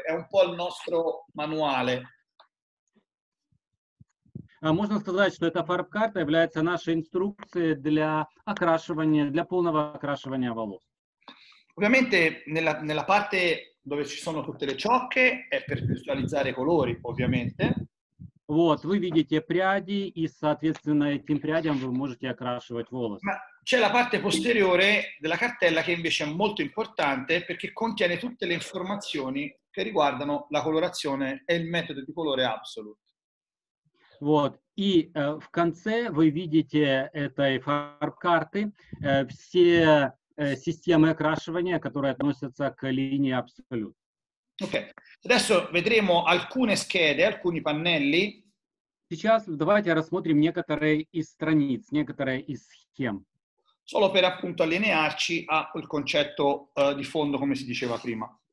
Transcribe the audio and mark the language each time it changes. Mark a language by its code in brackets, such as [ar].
[it] È un po' il nostro manuale. [ru] Можно сказать, что эта фарб-карта является нашей инструкцией для окрашивания, для полного окрашивания волос. [it] Ovviamente nella parte dove ci sono tutte le ciocche è per visualizzare i colori, ovviamente. [ru] Вот, вы видите пряди, и, соответственно, этим прядям вы можете окрашивать волос. [it] Ma c'è la parte posteriore della cartella che invece è molto importante perché contiene tutte le informazioni che riguardano la colorazione e il metodo di colore Absolute. [ru] Вот. И в конце вы видите этой фарб-карты все системы окрашивания, которые относятся к линии Absolute. Okay. [it] Adesso vedremo alcune schede, alcuni pannelli. [ru] Сейчас давайте рассмотрим некоторые из страниц, некоторые из схем. [it] Solo per appunto allinearci a il concetto di fondo, come si diceva prima.